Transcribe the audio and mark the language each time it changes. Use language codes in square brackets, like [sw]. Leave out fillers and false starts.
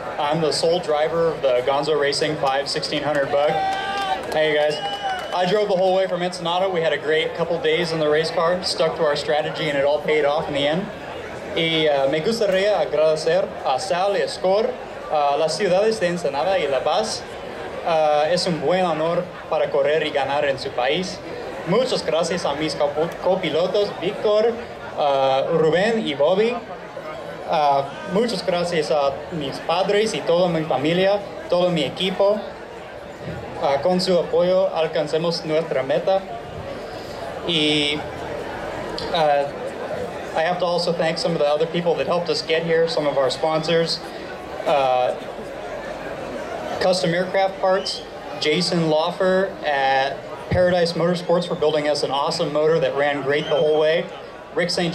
[en] I'm the sole driver of the Gonzo Racing 5-1600 Bug. Hey guys, I drove the whole way from Ensenada. We had a great couple days in the race car, stuck to our strategy, and it all paid off in the end. [es] Y me gustaría agradecer a Sal y a Score, las ciudades de Ensenada y La Paz. Es un buen honor para correr y ganar en su país. Muchas gracias a mis copilotos, Víctor, Rubén y Bobby. Muchas gracias a mis padres y toda mi familia, todo mi equipo. Con su apoyo alcancemos nuestra meta. [en] Y I have to also thank some of the other people that helped us get here, some of our sponsors. Custom Aircraft Parts, Jason Laufer at Paradise Motorsports for building us an awesome motor that ran great the whole way. Rick St.